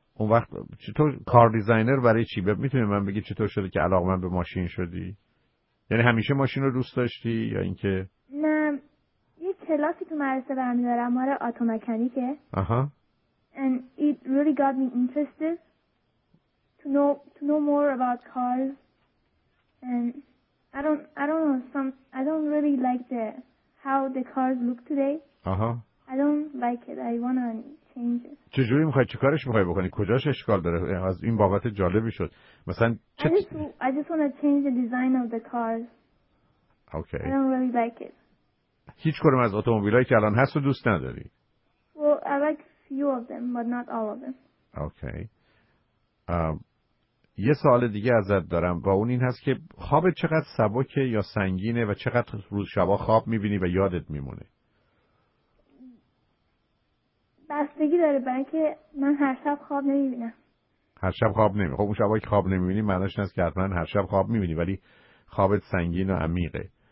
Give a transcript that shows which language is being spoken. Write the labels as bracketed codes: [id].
[fa] اون وقت چطور کار دیزاینر برای چی؟ میتونی من بگی چطور شده که علاقه من به ماشین شدی؟ یعنی همیشه ماشین رو دوست داشتی یا اینکه؟ نه، یه کلاسی تو مدرسه برمیدارم ماره اتومکانیکه. آها. [en] And it really got me interested to know more about cars. And I don't know some, I don't really like the how the cars look today. [fa] آها. [en] I don't like it. I wanna change it. [fa] چجوری میخوای؟ چه کارش میخوای بکنی؟ کجاش اشکال داره؟ از این بابت جالبی شد. مثلا [en] I just wanna change the design of the cars. Okay. I don't really like it. [fa] هیچ کدوم از اتومبیلایی که الان هست رو دوست نداری؟ [en] Well, I like few of them, but not all of them. Okay. [fa] یه سوال دیگه ازت دارم و اون این هست که خوابت چقدر سبکه یا سنگینه و چقدر روز شبا خواب میبینی و یادت میمونه؟ بستگی داره، برای که من هر شب خواب نمیبینم. هر شب خواب نمیبینی؟ خب اون شبایی که خواب نمیبینی معنیش نیست که حتما هر شب خواب میبینی، ولی خوابت سنگین و عمیقه.